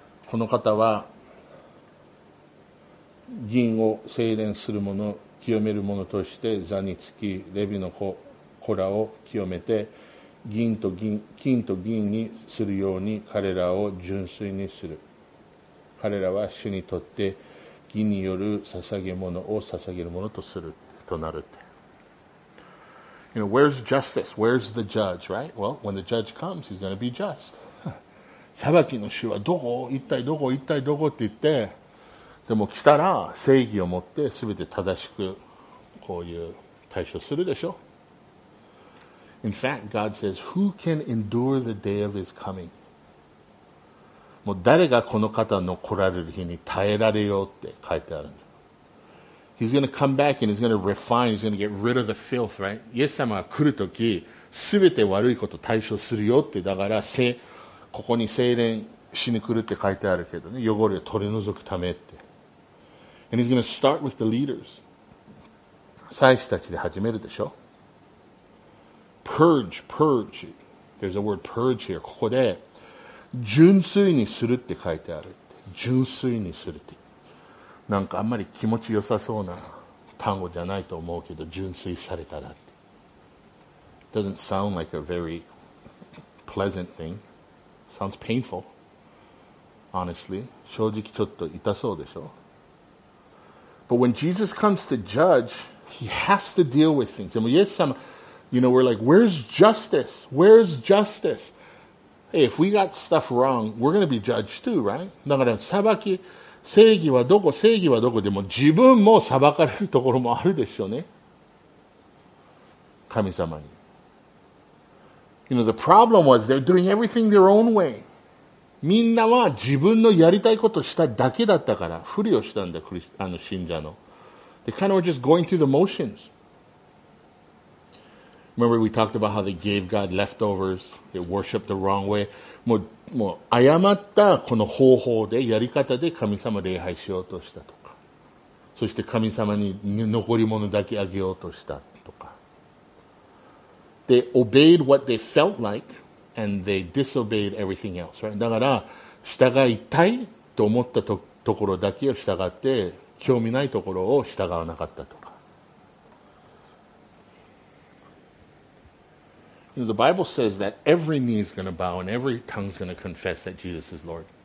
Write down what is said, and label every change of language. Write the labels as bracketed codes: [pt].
[ja] この方は、銀を精錬する者、清める者として座につき、レビの子らを清めて、金と銀にするように彼らを純粋にする。彼らは主にとって銀による捧げ物を捧げるものとするとなるって。 [en] You know, where's justice? Where's the judge, right? Well, when the judge comes, he's going to be just. [ja] 裁きの主はどこ？一体どこって言って、でも来たら正義を持って全て正しくこういう対処するでしょ。 [en] In fact, God says, who can endure the day of his coming? [ja] もう誰がこの方の来られる日に耐えられようって書いてある。 [en] He's going to come back and he's going to refine, he's going to get rid of the filth, right? [ja] イエス様が来るとき全て悪いこと対処するよって、だからここに精錬しに来るって書いてあるけどね、汚れを取り除くためって。 [en] And he's going to start with the leaders. [ja] 祭司たちで始めるでしょ。 [en] Purge. There's a word purge here. [ja] ここで、純粋にするって書いてある。純粋にするって。なんかあんまり気持ち良さそうな単語じゃないと思うけど、純粋されたらって。 [en] Doesn't sound like a very pleasant thing. Sounds painful. Honestly. [ja] 正直ちょっと痛そうでしょ。 [en] But when Jesus comes to judge, he has to deal with things. And yes, some, you know, we're like, where's justice? Where's justice? Hey, if we got stuff wrong, we're going to be judged too, right? [ja] だから裁き、正義はどこ、正義はどこ、でも自分も裁かれるところもあるでしょうね。神様に。 [en] You know, the problem was they're doing everything their own way. [ja] みんなは自分のやりたいことしただけだったから、ふりをしたんだ、あの信者の。 [en] They kind of were just going through the motions. Remember we talked about how they gave God leftovers, they worshiped the wrong way. [ja] もう誤ったこの方法でやり方で神様礼拝しようとしたとか。そして神様に残り物だけあげようとしたとか。 [en] They obeyed what they felt like and they disobeyed everything else, right? [ja] だから従いたいと思ったところだけを従って興味ないところを従わなかったとか。 [en] You know, the Bible says that every knee is going to bow and every tongue is going to confess that Jesus is Lord.